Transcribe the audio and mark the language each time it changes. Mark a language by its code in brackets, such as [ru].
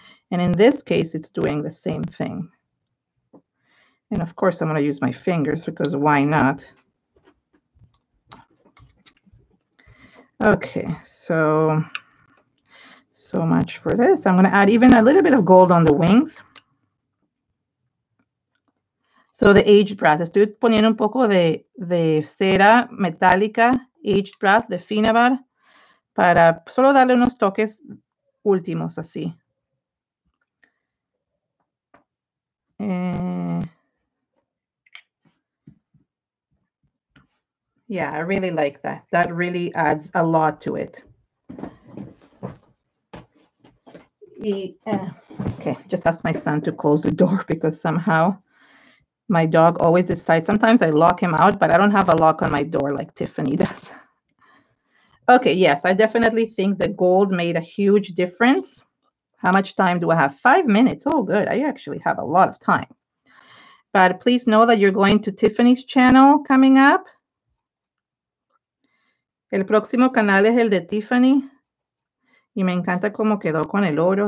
[en] And in this case, it's doing the same thing. And of course, I'm going to use my fingers because why not? Okay, so much for this. I'm going to add even a little bit of gold on the wings. So the aged brass. [es] Estoy poniendo un poco de cera metálica, aged brass, de Finnabair, para solo darle unos toques últimos así. [en] Yeah, I really like that. That really adds a lot to it. Okay, just ask my son to close the door because somehow my dog always decides. Sometimes I lock him out, but I don't have a lock on my door like Tiffany does. Okay, yes, I definitely think the gold made a huge difference. How much time do I have? 5 minutes. Oh, good. I actually have a lot of time. But please know that you're going to Tiffany's channel coming up. [es] El próximo canal es el de Tiffany. Y me encanta cómo quedó con el oro.